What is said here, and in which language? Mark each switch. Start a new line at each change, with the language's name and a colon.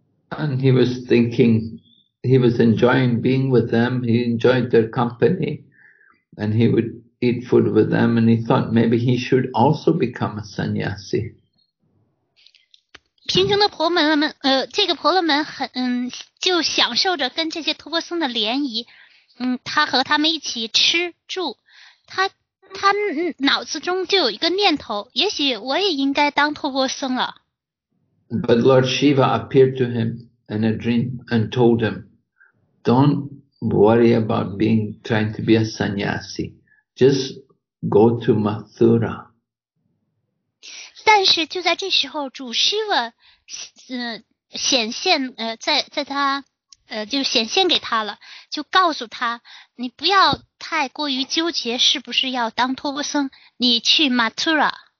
English: And he was thinking, he was enjoying being with them, he enjoyed their company, and he would eat food with them, and he thought maybe he should also become a sannyasi.
Chinese: 贫穷的婆们们，这个婆罗门很就享受着跟这些托钵僧的联谊，他和他们一起吃住，他脑子中就有一个念头，也许我也应该当托钵僧了。
English: But Lord Shiva appeared to him in a dream and told him, "Don't worry about being trying to be a sannyasi. Just go to Mathura."
Chinese: 但是就在这时候，主 Shiva 显现在他就显现给他了，就告诉他，你不要太过于纠结是不是要当托钵僧，你去 Mathura。